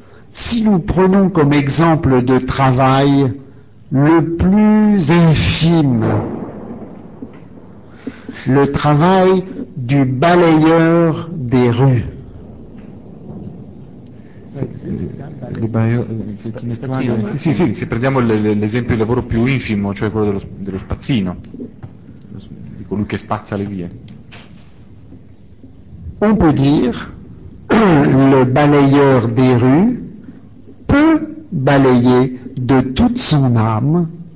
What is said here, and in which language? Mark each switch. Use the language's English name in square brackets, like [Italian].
[French] Si nous prenons comme exemple de travail le plus infime, le travail du balayeur des rues. [Italian] Se prendiamo l'esempio di lavoro più infimo, cioè quello dello spazzino, di colui che spazza le vie. [French] On peut dire le balayeur des rues peut balayer de toute son âme